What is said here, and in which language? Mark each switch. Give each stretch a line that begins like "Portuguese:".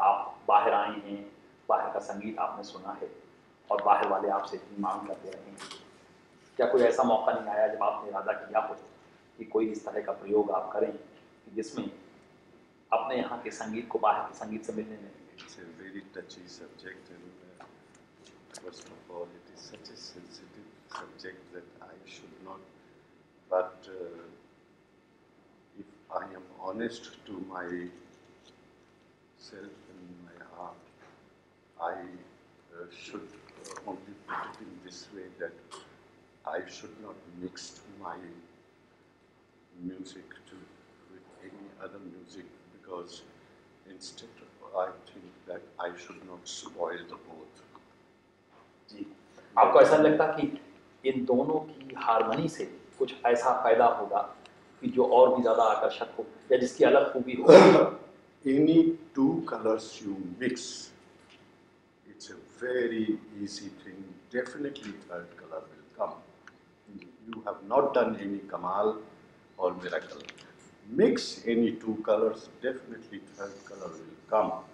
Hindi: आप बाहर आए हैं, बाहर का संगीत आपने सुना है और बाहर वाले आपसे इतनी मांग करते रहे हैं, क्या कोई ऐसा मौका नहीं आया जब आपने इरादा किया हो कि कोई इस तरह का प्रयोग आप करें जिसमें अपने यहाँ के संगीत को बाहर के संगीत से मिलने में?
English: It's a very touchy subject and first of all it is such a sensitive subject that I should not, but if I am honest to myself and my heart, I should only put it in this way that I should not mix my music to with any other music, because instead of, I think that I should not spoil the both.
Hindi: जी, आपको ऐसा लगता कि इन दोनों की harmony से कुछ ऐसा फायदा होगा कि जो और भी ज़्यादा आकर्षक हो या जिसकी अलग खूबी हो?
English: Any two colors you mix, it's a very easy thing, definitely third color will come. you have not done any Kamal or miracle. Mix any two colors, definitely third color will come.